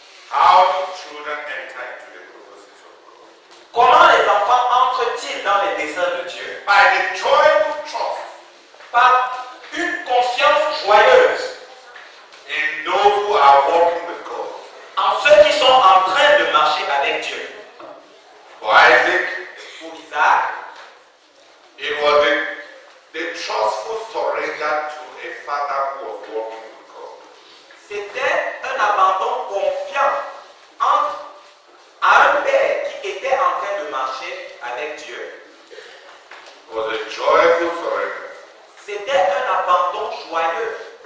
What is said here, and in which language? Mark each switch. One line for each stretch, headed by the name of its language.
English: How do children enter into the purposes of God?
French: Comment les enfants entrent-ils dans les desseins de Dieu?
English: By the joyful trust.
French: Par une conscience joyeuse.
English: In those who are walking with God.
French: En ceux qui sont en train de marcher avec Dieu.
English: For Isaac.
French: Pour Isaac.
English: It was the trustful surrender to a father who was walking with God.
French: C'était un abandon confiant entre à un père qui était en train de marcher avec Dieu.
English: It was a joyful surrender.
French: C'était un abandon joyeux.